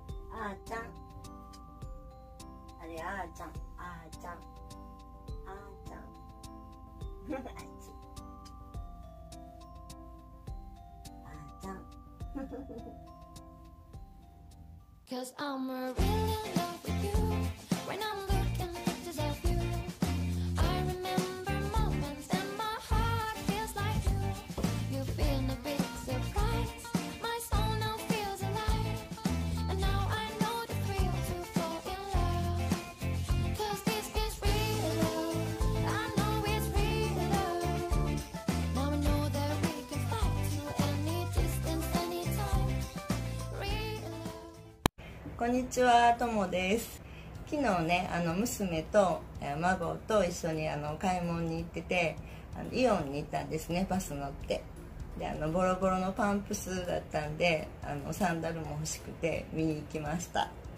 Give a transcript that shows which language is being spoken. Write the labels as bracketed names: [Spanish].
[Japanese] あーちゃん、あれ、あーちゃん、あーちゃん、あーちゃん、あーちゃん、あーちゃん。 [English] Cause I'm a real in love with you. When I'm looking at this view, I remember moments and my heart feels like you. You've been a big surprise. My soul now feels alive. And now I know the thrill to fall in love. Cause this is real love. I know it's real love. Now I know that we can fly to any distance, anytime. Real love. [Japanese] こんにちは、ともです。昨日ね、娘と孫と一緒に買い物に行ってて、イオンに行ったんですね、バス乗って。で、ボロボロのパンプスだったんで、サンダルも欲しくて見に行きました。